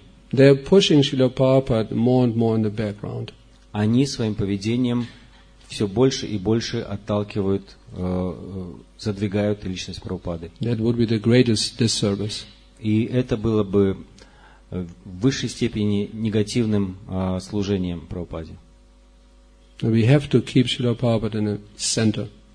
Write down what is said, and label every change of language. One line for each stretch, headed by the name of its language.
English: they are pushing Srila Prabhupada more and more in the background.
Russian: Они своим поведением все больше и больше отталкивают, задвигают личность Прабхупады.
English: That would be the greatest disservice.
Russian: И это было бы в высшей степени негативным служением Прабхупаде.
English: We have to keep Srila Prabhupada in the center.